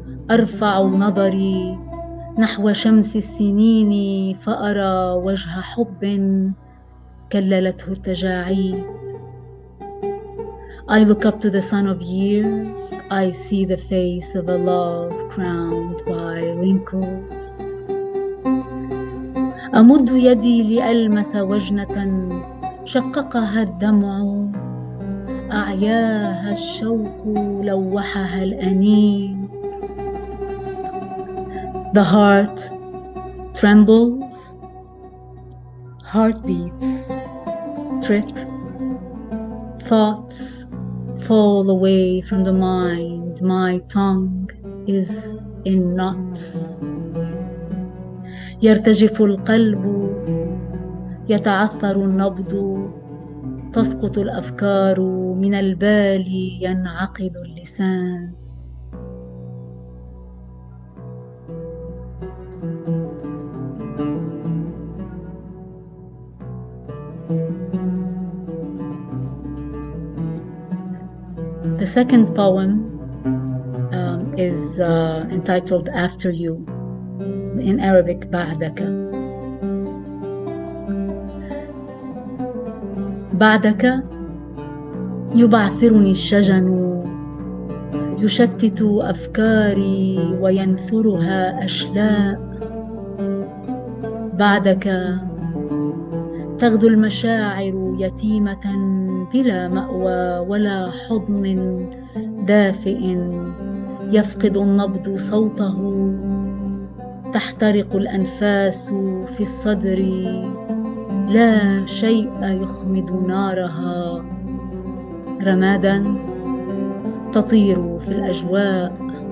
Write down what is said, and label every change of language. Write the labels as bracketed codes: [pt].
[ar] أرفع نظري نحو شمس السنين فأرى وجه حب كللته التجاعيد. [en] I look up to the sun of years, I see the face of a love crowned by wrinkles. [ar] أمد يدي لألمس وجنة شققها الدمع أعياها الشوق لوحها الأنين. [en] The heart trembles, heartbeats trip, thoughts fall away from the mind, my tongue is in knots. [ar] يرتجف القلب يتعثر النبض تسقط الأفكار من البال ينعقد اللسان. [en] The second poem is entitled After You in Arabic, بعدك. [ar] بعدك يبعثرني الشجن يشتت أفكاري وينثرها أشلاء. بعدك تغدو المشاعر يتيمة بلا مأوى ولا حضن دافئ يفقد النبض صوته تحترق الأنفاس في الصدر لا شيء يخمد نارها رمادا تطير في الأجواء.